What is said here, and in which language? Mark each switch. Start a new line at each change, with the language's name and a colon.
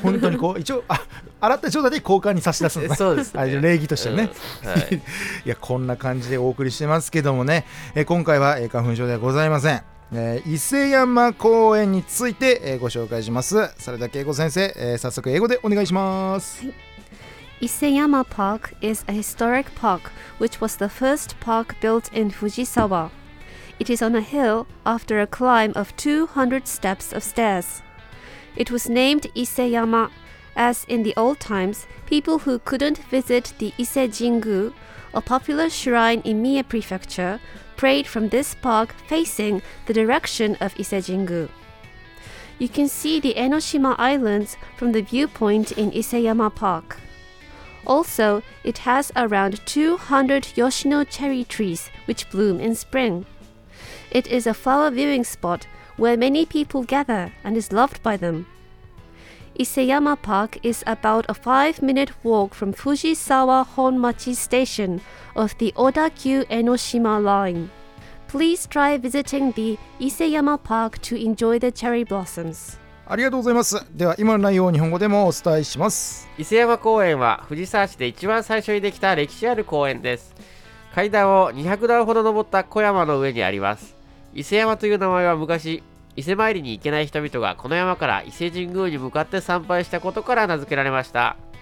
Japanese: 本当にこう一応洗った状態で交換に差し出すんだ。そうですね、礼儀としてね、いや、こんな感じでお送りしてますけどもね、今回は花粉症ではございません。伊勢山公園について、ご紹介します。それでは恵子先生、早速英語でお願いします。
English: 伊勢山 park is a historic park which was the first park built in Fujisawa. It is on a hill after a climb of 200 steps of stairs. It was named 伊勢山 as in the old times people who couldn't visit the 伊勢神宮, a popular shrine in Mie prefectureprayed from this park facing the direction of 伊勢神宮. You can see the Enoshima Islands from the viewpoint in 伊勢山 Park. Also, it has around 200 Yoshino cherry trees which bloom in spring. It is a flower viewing spot where many people gather and is loved by them. 伊勢山 Park is about a 5-minute walk from Fujisawa Honmachi Station of the Odakyu Enoshima Line. Please try visiting the 伊勢山 Park to enjoy the cherry blossoms.
Japanese: ありがとうございます。では今の内容を日本語でもお伝えします。伊勢山公園は藤沢市で一番最初にできた歴史ある公園です。階段を200段ほど登った小山の上にあります。伊勢山という名前は昔、伊勢参りに行けない人々がこの山から伊勢神宮に向かって参拝したことから名付けられました。